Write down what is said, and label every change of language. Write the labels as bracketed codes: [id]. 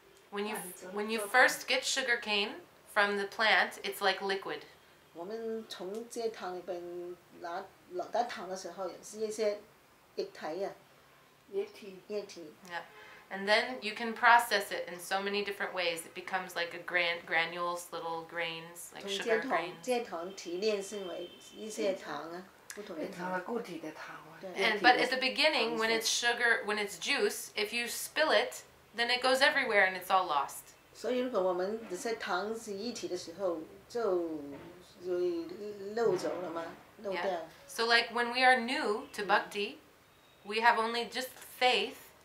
[en] When you first get sugar cane from the plant, it's like liquid. [zh] 我们从蔗糖里边拿得糖的时候，是一些液体啊，液体。 [en] Yeah, and then you can process it in so many different ways. It becomes like a granules, little grains, like sugar grains. [zh] 蔗糖提炼成为一些糖啊。 [en] But at the beginning, when it's sugar, when it's juice, if you spill it, then it goes everywhere and it's all lost. So if we say [zh] 糖是一体的时候，就 [en] So like when we are new to bhakti, we have only just faith.